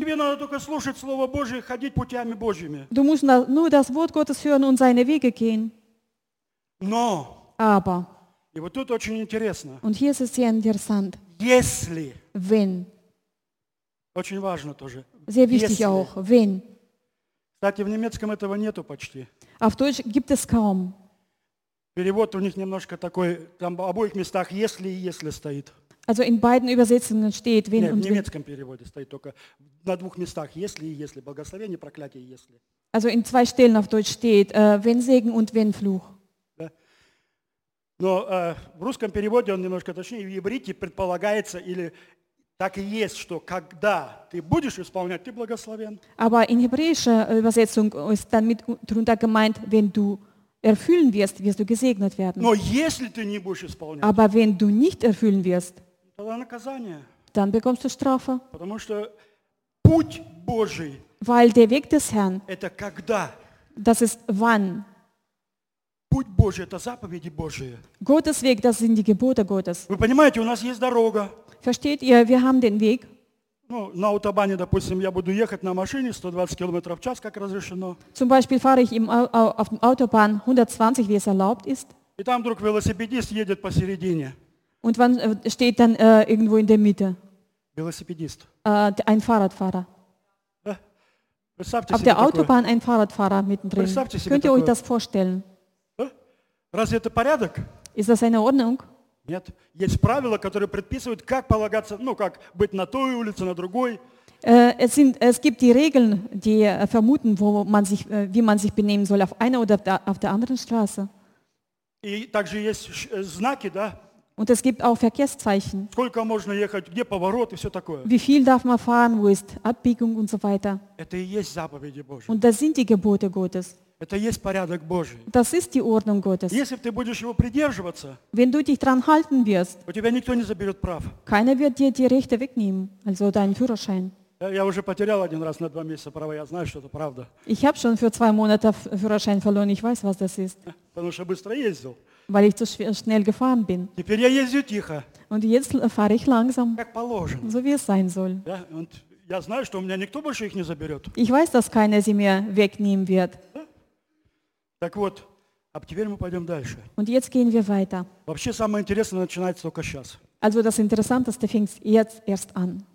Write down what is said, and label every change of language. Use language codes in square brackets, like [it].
[ru] Тебе надо только слушать Слово Божие и ходить путями Божьими. [de] Du musst nur das Wort Gottes hören und seine Wege gehen. [ru] Но. [de] Aber. [ru] И вот тут очень интересно. [de] Und hier ist es sehr interessant. [ru] Если. [de] Wenn. [ru] Очень важно тоже. [de] Sehr wichtig если. Auch. Wenn. [ru] Кстати, в немецком этого нету почти. [de] Auf Deutsch gibt es kaum. [ru] Перевод у них немножко такой, там в обоих местах «если» и «если» стоит. [de] Also in beiden Übersetzungen steht «wenn» und «wenn». [ru] В немецком переводе стоит только на двух местах «если» и «если». Благословение, проклятие, «если». [de] Also in zwei Stellen auf Deutsch steht «wenn Segen» und «wenn Fluch». [ru] Да. Но в русском переводе он немножко точнее, в иврите предполагается или так и есть, что когда ты будешь исполнять, ты благословен. [de] Aber in hebräischer Übersetzung ist damit drunter gemeint, wenn du erfüllen wirst, wirst du gesegnet werden. [ru] Но если ты не будешь исполнять, [de] aber wenn du nicht erfüllen wirst, [ru] тогда наказание. [de] Dann bekommst du Strafe. [ru] Потому что путь Божий, [de] weil der Weg des Herrn, [ru] это когда, [de] das ist wann. [ru] Путь Божий, это заповеди Божии. [de] Gottes Weg, das sind die Gebote Gottes. [ru] Вы понимаете, у нас есть дорога. [de] Versteht ihr, wir haben den Weg. [ru] Ну, на Аутобане, допустим, я буду ехать на машине 120 км в час, как разрешено. [de] Zum Beispiel fahre ich im, auf dem Autobahn 120, wie es erlaubt ist. [ru] И там вдруг велосипедист едет посередине. [de] Und wann steht dann irgendwo in der Mitte? [ru] Велосипедист. [de] Ein Fahrradfahrer. [ru] Представьте [de] auf der Autobahn такое. Ein Fahrradfahrer mittendrin. [ru] Представьте себе [de] Könnt [ru] такое. [de] Ihr euch das vorstellen? [ru] Разве это порядок? [de] Ist das eine Ordnung? [ru] Нет. Есть правила, которые предписывают, как полагаться, ну, как быть на той улице, на другой. [de] Es gibt die Regeln, die vermuten, wo man sich, wie man sich benehmen soll, auf einer oder auf der anderen Straße. [ru] И также есть знаки, да? [de] Und es gibt auch Verkehrszeichen. [ru] Сколько можно ехать, где поворот и все такое. [de] Wie viel darf man fahren, wo ist Abbiegung und so weiter. [ru] Это и есть заповеди Божьи. [de] Und das sind die Gebote Gottes. [ru] Это есть порядок Божий. [de] Das ist die Ordnung Gottes. [ru] Если ты будешь его придерживаться, [de] wenn du dich dran halten wirst, [ru] у тебя никто не заберет прав. [de] Keiner wird dir die Rechte wegnehmen, also deinen Führerschein. [ru] Я уже потерял один раз на два месяца права, я знаю, что это правда. [de] Ich habe schon für zwei Monate Führerschein verloren, ich weiß, was das ist. [ru] Потому что быстро ездил. [de] Weil ich zu schnell gefahren bin. [ru] Теперь я езжу тихо. [de] Und jetzt fahre ich langsam. [ru] Как положено. [de] So wie es sein soll. [ru] Да? Und я знаю, что у меня никто больше их не заберет. [de] Ich weiß, dass keiner sie mir wegnehmen wird. [ru] Так вот, а теперь мы пойдем дальше. [de] Und jetzt gehen wir weiter. [ru] Вообще самое интересное начинается только сейчас. [de] Also das Interessanteste fängt jetzt erst an.